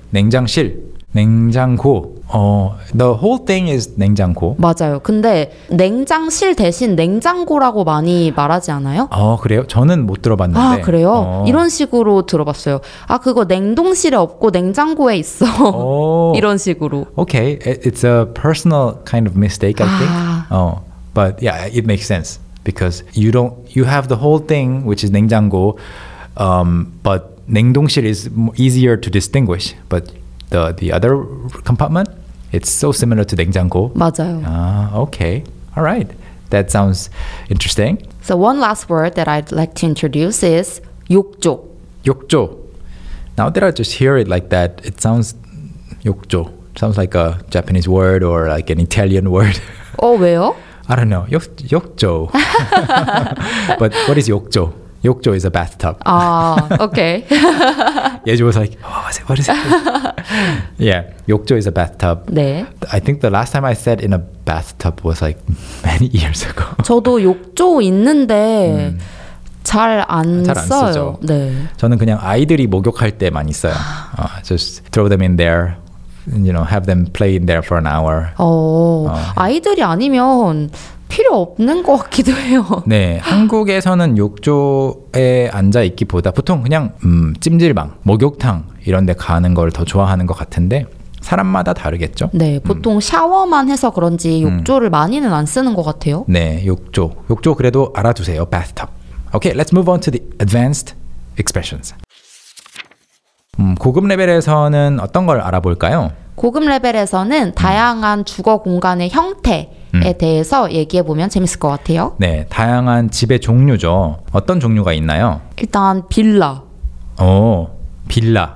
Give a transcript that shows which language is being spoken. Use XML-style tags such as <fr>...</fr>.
<en>냉장실. 냉장고. The whole thing is 냉장고.</en> <ko>맞아요. 근데 냉장실 대신 냉장고라고 많이 말하지 않아요? 그래요? 저는 못 들어봤는데. 그래요? 이런 식으로 들어봤어요. 그거 냉동실에 없고 냉장고에 있어. 이런 식으로.</ko> <en>Okay. It's a personal kind of mistake, I think. But yeah, it makes sense. Because you have the whole thing, which is 냉장고. But 냉동실 is easier to distinguish. But the other compartment, it's so similar to 냉장고.</en> <ko>맞아요.</ko> <en>Okay. All right. That sounds interesting. So one last word that I'd like to introduce is 욕조.</en> <ko>욕조.</ko> <en>Now that I just hear it like that, it sounds 욕조. Sounds like a Japanese word or like an Italian word.</en> <ko>왜요?</ko> <en>I don't know. 욕조. But what is 욕조? 욕조 is a bathtub. Okay. Yeah, was like, what is it? Yeah, 욕조 is a bathtub.</en> <ko>네.</ko> <en>I think the last time I sat in a bathtub was like many years ago.</en> <ko>저도 욕조 있는데 잘 안 써요. 네. 저는 그냥 아이들이 목욕할 때 많이 써요.</ko> <en>Just throw them in there. You know, have them play in there for an hour.</en> <ko>아이들이 아니면 필요 없는 것 같기도 해요. 네, 한국에서는 욕조에 앉아 있기보다 보통 그냥 찜질방, 목욕탕 이런 데 가는 걸 더 좋아하는 것 같은데 사람마다 다르겠죠? 네, 보통 샤워만 해서 그런지 욕조를 많이는 안 쓰는 것 같아요. 네, 욕조. 욕조 그래도 알아두세요.</ko> <en>Bathtub. Okay, let's move on to the advanced expressions.</en> <ko>고급 레벨에서는 어떤 걸 알아볼까요? 고급 레벨에서는 다양한 주거 공간의 형태에 대해서 얘기해 보면 재밌을 것 같아요. 네, 다양한 집의 종류죠. 어떤 종류가 있나요? 일단 빌라. 빌라.</ko>